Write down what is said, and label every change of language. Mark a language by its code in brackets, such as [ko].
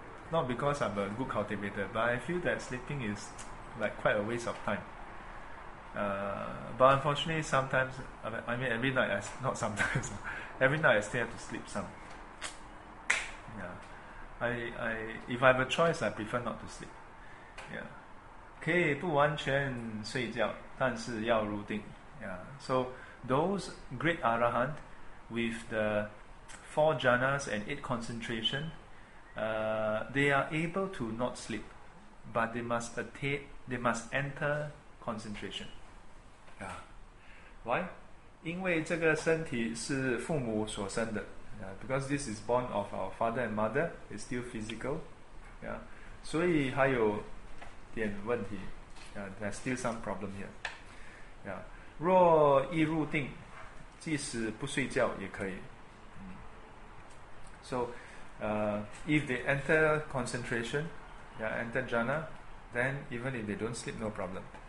[en] Not because I'm a good cultivator, but I feel that sleeping is like quite a waste of time. But unfortunately sometimes, I mean every night, not sometimes, every night I still have to sleep some. Yeah. If I have a choice, I prefer not to sleep. Yeah. [zh] 可以不完全睡觉,但是要入定. [en] Yeah. So those great arahant with the four jhanas and eight concentration, they are able to not sleep, but they must enter concentration. Yeah. Why? [zh] 因为这个身体是父母所生的. [en] Yeah. Because this is born of our father and mother, it's still physical. Yeah. [zh] 所以还有 点问题, [en] there's still some problem here. Yeah. [zh] 若易入定, 即使不睡觉也可以. [en] So, if they enter concentration, yeah, enter jhana, then even if they don't sleep, no problem.